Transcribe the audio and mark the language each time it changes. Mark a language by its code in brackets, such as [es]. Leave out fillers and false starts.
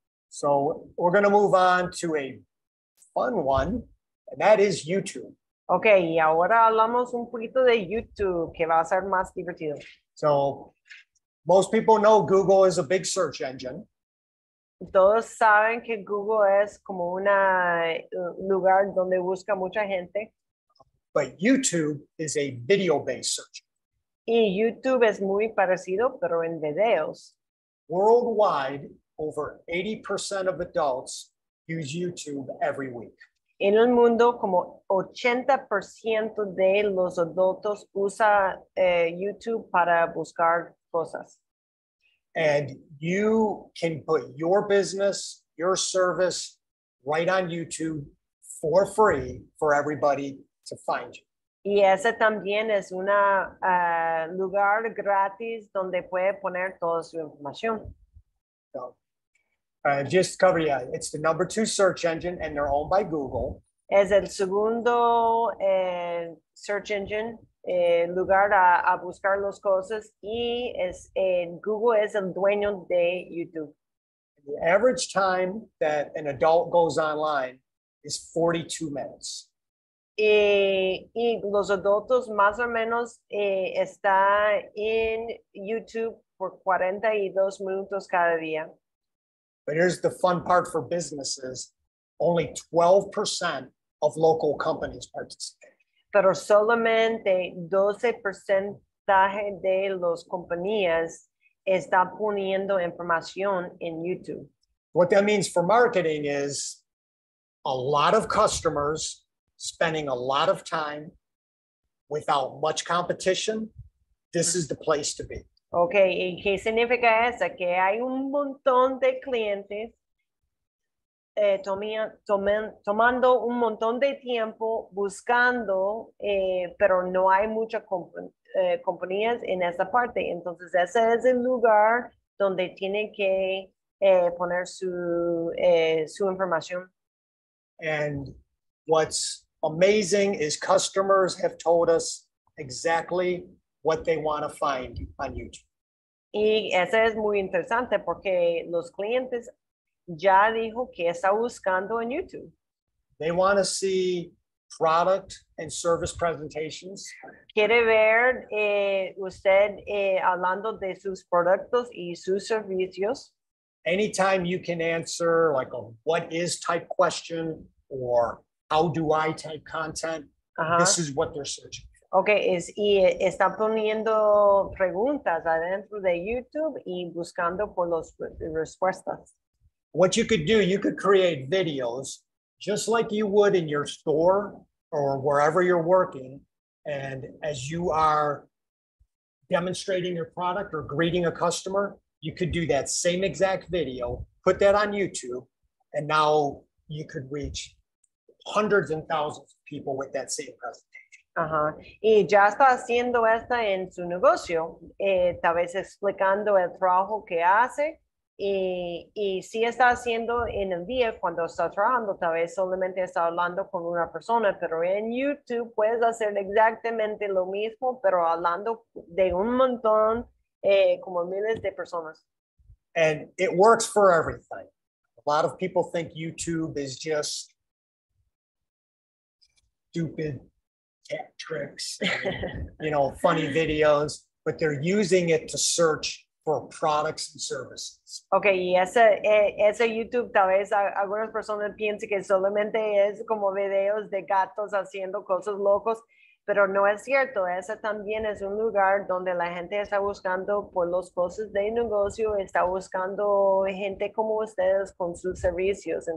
[en] So we're going to move on to a fun one, and that is YouTube. [es] Okay, y ahora hablamos un poquito de YouTube, que va a ser más divertido. [en] So, most people know Google is a big search engine. [es] Todos saben que Google es como un lugar donde busca mucha gente. [en] But YouTube is a video-based search. [es] Y YouTube es muy parecido, pero en videos. [en] Worldwide, over 80% of adults use YouTube every week. [es] En el mundo, como 80% de los adultos usa YouTube para buscar cosas. [en] And you can put your business, your service, right on YouTube for free for everybody to find you. [es] Y ese también es un lugar gratis donde puede poner toda su información. [en] So, just to cover you, it's the number two search engine, and they're owned by Google. [es] Es el segundo search engine, lugar a buscar las cosas, y es Google es el dueño de YouTube. [en] The average time that an adult goes online is 42 minutes. [es] Y los adultos más o menos está en YouTube por 42 minutos cada día. [en] But here's the fun part for businesses. Only 12% of local companies participate. [es] Pero solamente 12% de las compañías está poniendo información en YouTube. [en] What that means for marketing is a lot of customers spending a lot of time without much competition. This is the place to be. [es] Okay, ¿y qué significa eso? Que hay un montón de clientes tomando un montón de tiempo buscando, pero no hay muchas compañías en esa parte. Entonces, ese es el lugar donde tienen que poner su información. [en] And what's amazing is customers have told us exactly what they want to find on YouTube. [es] Y eso es muy interesante porque los clientes ya dijo que está buscando en YouTube. [en] They want to see product and service presentations. [es] Quiere ver usted hablando de sus productos y sus servicios. [en] Anytime you can answer like a what is type question or how do I type content, this is what they're searching. [es] Okay, y está poniendo preguntas adentro de YouTube y buscando por las respuestas. [en] What you could do, you could create videos just like you would in your store or wherever you're working, And as you are demonstrating your product or greeting a customer, you could do that same exact video, put that on YouTube, and now you could reach hundreds and thousands of people with that same presentation. [es] Uh-huh. Y ya está haciendo esta en su negocio, tal vez explicando el trabajo que hace. Y si está haciendo en el día cuando está trabajando, tal vez solamente está hablando con una persona, pero en YouTube puedes hacer exactamente lo mismo, pero hablando de un montón, como miles de personas. [en] And it works for everything. A lot of people think YouTube is just stupid cat tricks, and, you know, funny videos, but they're using it to search for products and services. [es] Okay, y ese YouTube, tal vez algunas personas piensen que solamente es como videos de gatos haciendo cosas locos, pero no es cierto. Ese también es un lugar donde la gente está buscando por los cosas de negocio, está buscando gente como ustedes con sus servicios.